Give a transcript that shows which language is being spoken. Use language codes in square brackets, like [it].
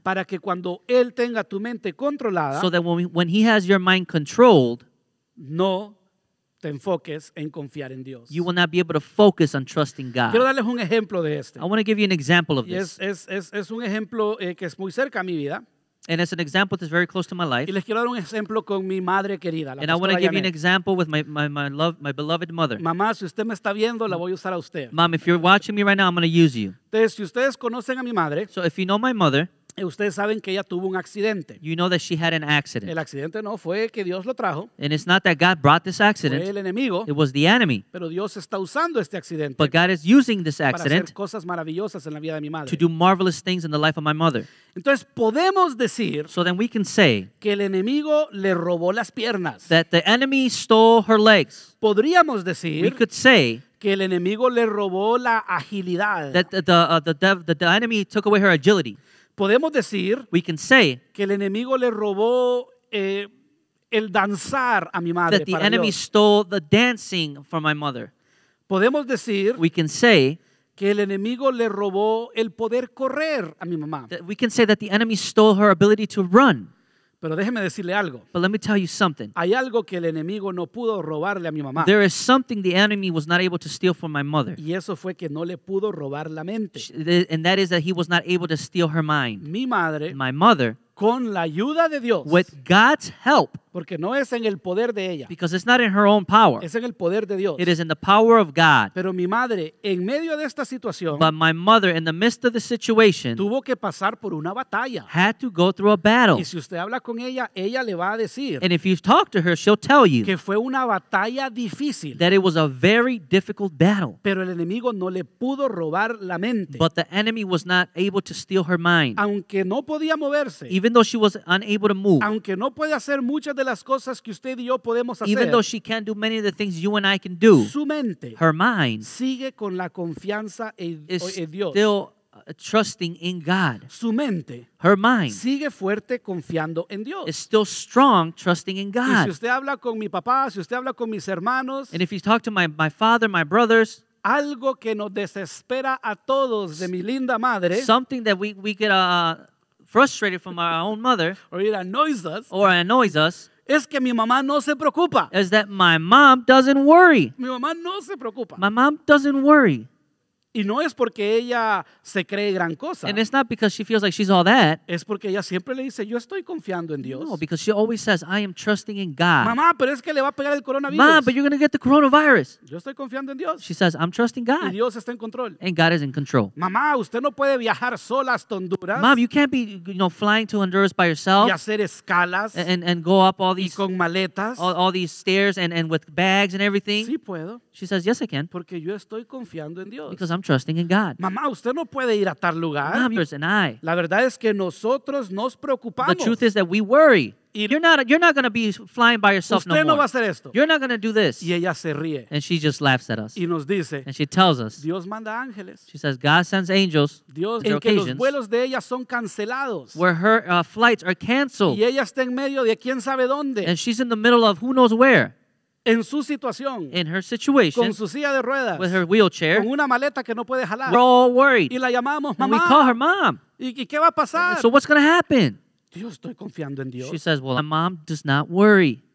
[es] Para que cuando él tenga tu mente controlada. [en] So that when he has your mind controlled. [es] No te enfoques en confiar en Dios. [en] You will not be able to focus on trusting God. [es] Quiero darles un ejemplo de este. [en] I want to give you an example of this. [es] Es un ejemplo que es muy cerca a mi vida. [en] And it's an example that's very close to my life. [es] Y les quiero dar un ejemplo con mi madre querida, la [en] and I want to give you an example with my beloved mother. [es] Mamá, si usted me está viendo, la voy a usar a usted. [en] Mom, if you're watching me right now, I'm going to use you. [es] Entonces, si ustedes conocen a mi madre, [en] so if you know my mother, [es] ustedes saben que ella tuvo un accidente. [en] You know that she had an accident. [es] El accidente no fue que Dios lo trajo. [en] And it's not that God brought this accident. [es] Fue el enemigo. [en] It was the enemy. [es] Pero Dios está usando este accidente. [en] But God is using this accident. [es] Para hacer cosas maravillosas en la vida de mi madre. [en] To do marvelous things in the life of my mother. [es] Entonces podemos decir. [en] So then we can say. [es] Que el enemigo le robó las piernas. [en] That the enemy stole her legs. [es] Podríamos decir. [en] We could say. [es] Que el enemigo le robó la agilidad. [en] That the enemy took away her agility. [es] Podemos decir [en] we can say [es] que el enemigo le robó el danzar a mi madre. [en] That the [es] para [en] enemy [es] Dios. [en] Stole the dancing from my mother. [es] Podemos decir [en] we can say [es] que el enemigo le robó el poder correr a mi mamá. [en] That we can say that the enemy stole her ability to run. [es] Pero déjeme decirle algo. [en] But let me tell you something. [es] Hay algo que el enemigo no pudo robarle a mi mamá. [en] There is something the enemy was not able to steal from my mother. [es] Y eso fue que no le pudo robar la mente. [en] And that is that he was not able to steal her mind. [es] Mi madre. [en] My mother. [es] Con la ayuda de Dios. [en] With God's help. [es] Porque no es en el poder de ella. [en] Because it's not in her own power. [es] Es en el poder de Dios. [en] It is in the power of God. [es] Pero mi madre, en medio de esta situación. [en] But my mother, in the midst of the situation. [es] Tuvo que pasar por una batalla. [en] Had to go through a battle. [es] Y si usted habla con ella, ella le va a decir. [en] And if you talk to her, she'll tell you. [es] Que fue una batalla difícil. [en] That it was a very difficult battle. [es] Pero el enemigo no le pudo robar la mente. [en] But the enemy was not able to steal her mind. [es] Aunque no podía moverse. [en] Even though she was unable to move. [es] Aunque no puede hacer muchas de las las cosas que usted y yo podemos hacer, [en] even though she can't do many of the things you and I can do, [es] su mente, [en] her mind, [es] sigue con la confianza en Dios. [en] Still trusting in God. [es] Su mente, [en] her mind, [es] sigue fuerte confiando en Dios. [en] Is still strong trusting in God. [es] Y si usted habla con mi papá, si usted habla con mis hermanos, [en] and if you talk to my father, my brothers, [es] algo que nos desespera a todos de mi linda madre, [en] something that we get frustrated from our own mother, or it annoys us, [es] es que mi mamá no se preocupa. [en] Is that my mom doesn't worry. [es] Mi mamá no se preocupa. [en] My mom doesn't worry. [es] Y no es porque ella se cree gran cosa. [en] And it's not because she feels like she's all that. [es] Es porque ella siempre le dice, yo estoy confiando en Dios. [en] No, because she always says, I am trusting in God. [es] Mamá, pero es que le va a pegar el coronavirus. [en] Mom, but you're going to get the coronavirus. [es] Yo estoy confiando en Dios. [en] She says, I'm trusting God. [es] Y Dios está en control. [en] And God is in control. [es] Mamá, usted no puede viajar sola hasta Honduras. [en] Mom, you can't be, you know, flying to Honduras by yourself. [es] Y hacer escalas. [en] And go up all these. [es] Y con maletas. [en] All these stairs and with bags and everything. [es] Sí puedo. [en] She says, yes, I can. [es] Porque yo estoy confiando en Dios. [en] Because I'm trusting in God. [es] Mamá, usted no puede ir a tal lugar. [en] Mom, yours and I. [es] La verdad es que nosotros nos preocupamos. [en] The truth is that we worry. You're not going to be flying by yourself [es] usted no [en] more. [es] No va a hacer esto. [en] You're not going to do this. [es] Y ella se ríe. [en] And she just laughs at us. [es] Y nos dice, [en] and she tells us. [es] Dios manda ángeles. [en] She says, God sends angels. [es] Dios, en que los vuelos de ella son cancelados. [en] Where her flights are canceled. [es] Y ella está en medio de quién sabe dónde. [en] And she's in the middle of who knows where. [es] En su situación, [en] in her situation, [es] con su silla de ruedas, [en] with her wheelchair, [es] con una maleta que no puede jalar, [en] we're all worried. [es] Y la llamamos, mamá. [en] And we call her mom. [es] ¿Y qué va a pasar? [en] So what's going to happen? [es] Yo estoy confiando en Dios. [en] She says, well, my mom does not worry.